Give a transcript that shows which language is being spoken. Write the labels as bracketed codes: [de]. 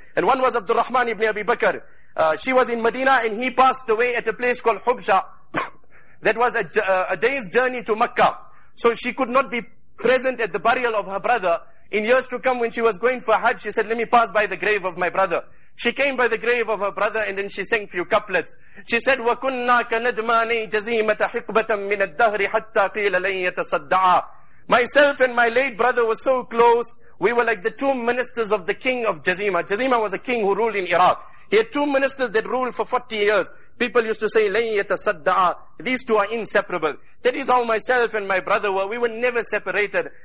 [en] And one was Abdul Rahman ibn Abi Bakr. She was in Medina and he passed away at a place called Hubsha. That was a day's journey to Makkah. So she could not be present at the burial of her brother. In years to come, when she was going for Hajj, she said, let me pass by the grave of my brother. She came by the grave of her brother and then she sang a few couplets. She said, [ar] وَكُنَّا كَنَدْمَانِي جَزِيمَةَ حِقْبَةً مِنَ الدَّهْرِ حَتَّى قِيلَ لَنْ يَتَصَدَّعَ. [en] Myself and my late brother were so close. We were like the two ministers of the king of Jazima. Jazima was a king who ruled in Iraq. He had two ministers that ruled for 40 years. People used to say, [ar] لَنْ يَتَصَدَّعَ. [en] These two are inseparable. That is how myself and my brother were. We were never separated.